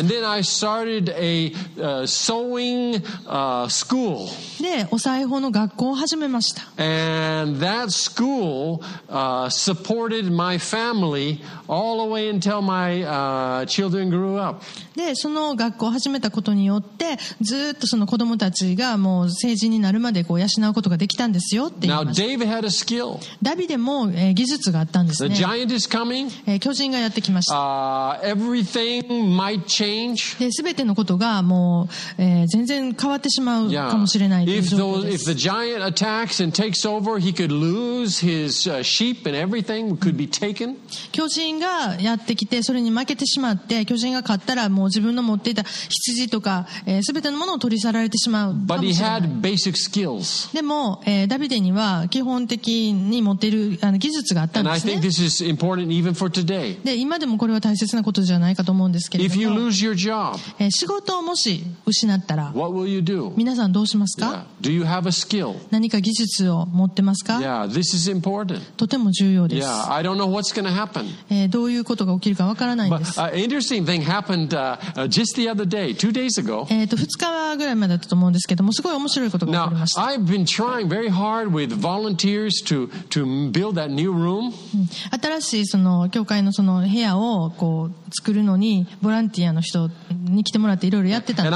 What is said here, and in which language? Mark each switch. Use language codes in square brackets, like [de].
[en] And then I started a sewing school. [ja] でお裁縫の学校を始めました。 [en] And that school supported my family all the way until my children grew up. [ja] でその学校を始めたことによって、ずっとその子供たちがもう成人になるまでこう養うことができたんですよって言いました。 [en] Now, skill. [ja] ダビデも、技術があったんですね。 [en] The giant is coming. [ja] 巨人がやってきました。 [en] Everything might change. [ja] で全てのことがもう、全然変わってしまうかもしれない。 [en] Yeah. If the giant attacks and takes over, he could lose his sheep and everything could be taken. [ja] 巨人がやってきてそれに負けてしまって、巨人が勝ったらもう自分の持っていた羊とか、全てのものを取り去られてしまうかもしれない。 [en] But he had basic skills. [ja] でも、ダビデには基本的に持っている技術があったんですね。 [en] And I think this is important even for today. [ja] で今でもこれは大切なことじゃないかと思うんですけれども、 [en] If you lose your job, [ja] 仕事をもし失ったら、 [en] What will you do? [ja] 皆さんどうしますか？ [en] Yeah. Do you have a skill? [ja] 何か技術を持ってますか？ [en] Yeah, this is important. [ja] とても重要です。 [en] Yeah, I don't know what's going to happen. [ja] どういうことが起きるかわからないんです。 [en] But an interesting thing happened just the other day, 2 days ago. [ja] 2日ぐらい前だったと思うんですけども、すごい面白いことが起きました。 [en] Now, I've been trying very hard with volunteers used to build that new room. [ja] 新しいその教会のその部屋をこう作るのにボランティアの人に来てもらっていろいろやってたんですね。